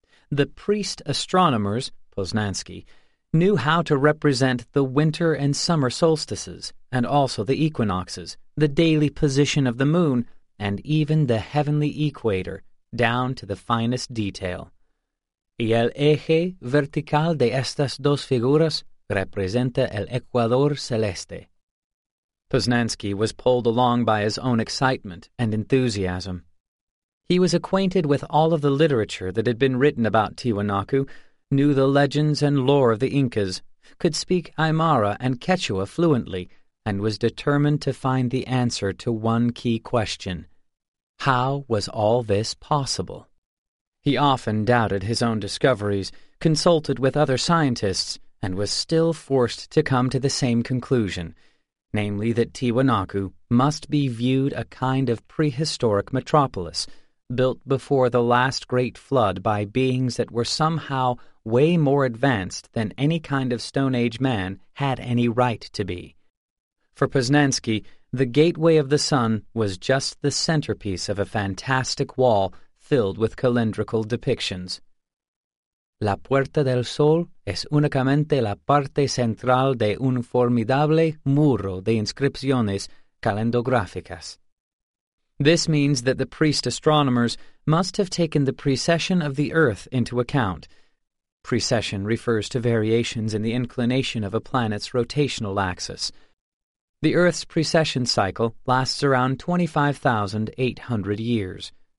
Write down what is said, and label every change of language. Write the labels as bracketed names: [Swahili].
[English] The priest astronomers, Poznanski, knew how to represent the winter and summer solstices, and also the equinoxes, the daily position of the moon, and even the heavenly equator, down to the finest detail. [Spanish] Y el eje vertical de estas dos figuras representa el Ecuador celeste. [English] Poznanski was pulled along by his own excitement and enthusiasm. He was acquainted with all of the literature that had been written about Tiwanaku, knew the legends and lore of the Incas, could speak Aymara and Quechua fluently, and was determined to find the answer to one key question. How was all this possible? He often doubted his own discoveries, consulted with other scientists, and was still forced to come to the same conclusion, namely that Tiwanaku must be viewed a kind of prehistoric metropolis, built before the last great flood by beings that were somehow way more advanced than any kind of Stone Age man had any right to be. For Poznansky, the Gateway of the Sun was just the centerpiece of a fantastic wall filled with calendrical depictions. [Spanish] La Puerta del Sol es únicamente la parte central de un formidable muro de inscripciones calendográficas. [English] This means that the priest astronomers must have taken the precession of the Earth into account. Precession refers to variations in the inclination of a planet's rotational axis. The Earth's precession cycle lasts around 25,800 years.